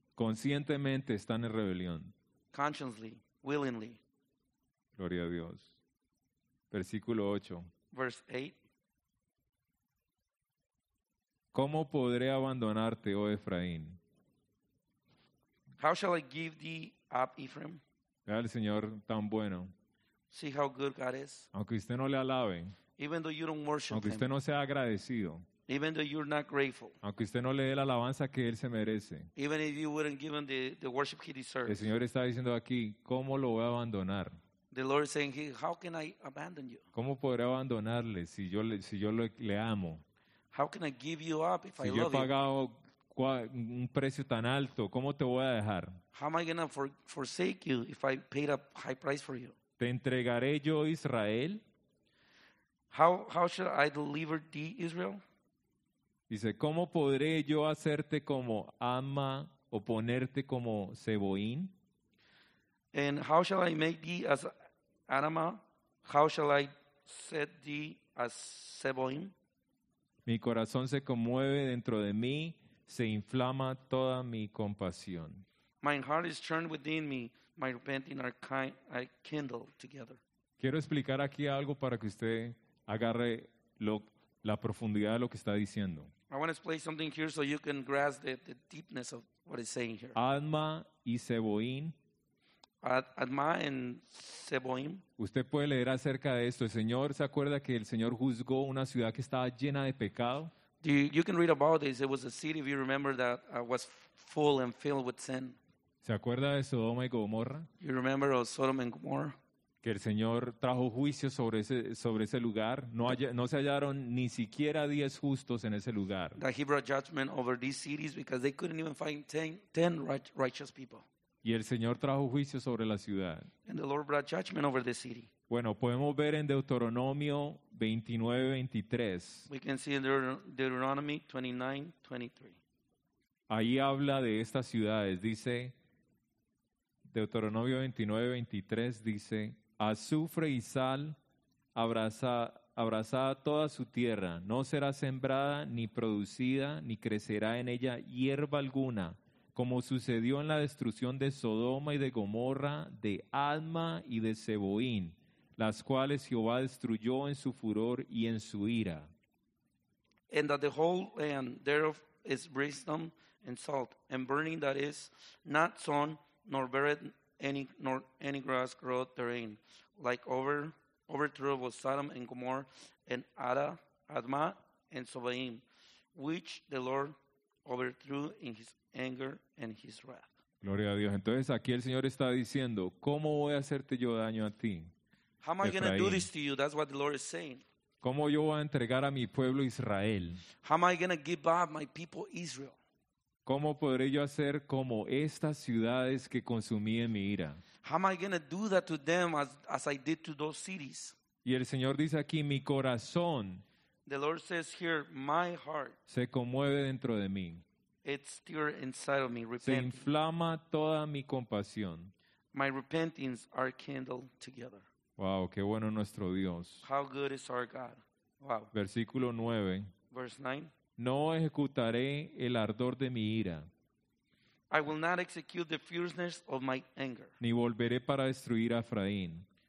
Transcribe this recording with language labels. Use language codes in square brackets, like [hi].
[es] Conscientemente están en rebelión. [en] Consciously, willingly. [es] Gloria a Dios. Versículo 8. [en] Verse 8. [es] ¿Cómo podré abandonarte, oh Efraín? [en] How shall I give thee up, Ephraim? [es] Vea el Señor tan bueno. [en] See how good God is. [es] Aunque usted no le alabe. [en] Even though you don't worship [es] aunque usted [en] him. [es] No sea agradecido. [en] Even though you're not grateful. [es] Aunque usted no le dé la alabanza que él se merece. [en] Even if you wouldn't give him the worship he deserves. [es] El Señor está diciendo aquí, ¿cómo lo voy a abandonar? [en] The Lord is saying, how can I abandon you? [es] ¿Cómo podré abandonarle si yo le amo? [en] How can I give you up if [es] si [en] I love you? [es] Si yo he pagado un precio tan alto, ¿cómo te voy a dejar? [en] How am I gonna forsake you if I paid a high price for you? [es] ¿Te entregaré yo Israel? [en] How should I deliver thee, Israel? [es] Dice, ¿cómo podré yo hacerte como ama o ponerte como Zeboín? [en] And how shall I make thee as Adama? How shall I set thee as Zeboín? [es] Mi corazón se conmueve dentro de mí, se inflama toda mi compasión. [en] My heart is churned within me, my repenting I kindle together. [es] Quiero explicar aquí algo para que usted agarre la profundidad de lo que está diciendo. [en] I want to explain something here so you can grasp the deepness of what it's saying here. [es] Adma y Zeboín. [en] Adma and Zeboín. [es] Usted puede leer acerca de esto. El Señor, ¿se acuerda que el Señor juzgó una ciudad que estaba llena de pecado? [en] You can read about this. It was a city, if you remember, that was full and filled with sin. [es] ¿Se acuerda de Sodoma y Gomorra? [en] You remember of Sodom and Gomorrah? [es] Que el Señor trajo juicio sobre ese lugar. No se hallaron ni siquiera 10 justos en ese lugar. [en] That he brought judgment over these cities because they couldn't even find 10 righteous people. [es] Y el Señor trajo juicio sobre la ciudad. [en] And the Lord brought judgment over the city. [es] Bueno, podemos ver en Deuteronomio 29:23. [en] We can see in Deuteronomy 29:23. [es] Ahí habla de estas ciudades. Dice, Deuteronomio 29:23 dice, azufre y sal abrazada toda su tierra, no será sembrada ni producida ni crecerá en ella hierba alguna, como sucedió en la destrucción de Sodoma y de Gomorra, de Adma y de Zeboín, las cuales Jehová destruyó en su furor y en su ira. [en] And that the whole land thereof is brimstone and salt and burning, that is not sown nor beareth any grass growth therein, like overthrow of Sodom and Gomorrah and Adma and Zeboim, which the Lord overthrew in his anger and his wrath. [es] Gloria a Dios. Entonces aquí el Señor está diciendo, ¿cómo voy a hacerte yo daño a ti, [en] How am I going to do this to you? That's what the Lord is saying. [es] ¿Cómo yo voy a entregar a mi pueblo Israel? [en] How am I going to give up my people Israel? [es] ¿Cómo podré yo hacer como estas ciudades que consumí en mi ira? [en] How am I going to do that to them as I did to those cities? [es] Y el Señor dice aquí, mi corazón, [en] the Lord says here, my heart, [es] se conmueve dentro de mí. [en] It's stirred inside of me, repenting. [es] Se inflama toda mi compasión. [en] My repentings are kindled together. [es] Wow, qué bueno nuestro Dios. [en] How good is our God. Wow. [es] Versículo 9. [en] Verse 9. [es] No ejecutaré el ardor de mi ira. [en] I will not execute the fierceness of my anger. [es] Ni volveré para destruir a Efraín.